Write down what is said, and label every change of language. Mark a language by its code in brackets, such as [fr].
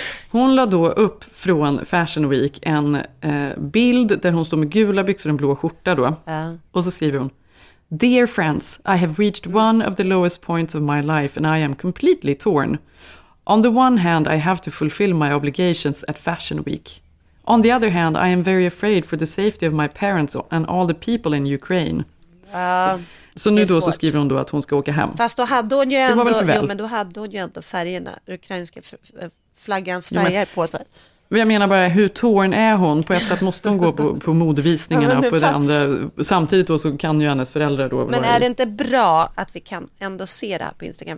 [sv] Hon la då upp från Fashion Week en bild där hon står med gula byxor och en blå skjorta då. Och så skriver hon: [en] Dear friends, I have reached one of the lowest points of my life and I am completely torn. On the one hand, I have to fulfill my obligations at Fashion Week. On the other hand, I am very afraid for the safety of my parents and all the people in Ukraine. [sv] Så nu då svårt. Så skriver hon då att hon ska åka hem. Fast då hade hon ju ändå, färgerna, ukrainska flaggans färger på sig. Jag menar bara, hur torn är hon? På ett sätt måste hon gå på modevisningarna och på det andra. Samtidigt då så kan ju hennes föräldrar då... Men är det inte bra att vi kan ändå se det här på Instagram?